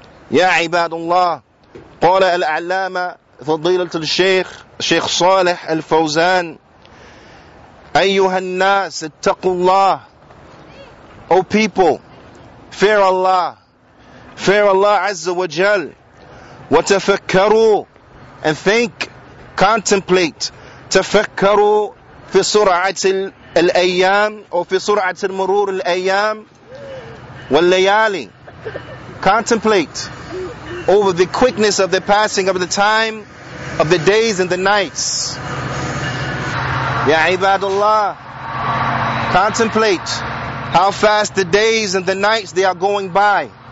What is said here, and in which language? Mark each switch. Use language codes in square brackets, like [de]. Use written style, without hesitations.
[ar] يا عباد الله قال العلامة فضيلة الشيخ صالح الفوزان أيها الناس اتقوا الله [en] O people, fear Allah. Fear Allah Azza wa Jal. [ar] وتفكروا [en] and think, contemplate. [ar] تفكروا في سرعة الأيام أو في سرعة المرور الأيام والليالي. [en] Contemplate over the quickness of the passing of the time of the days and the nights. [ar] يا عباد الله. [en] Contemplate how fast the days and the nights they are going by.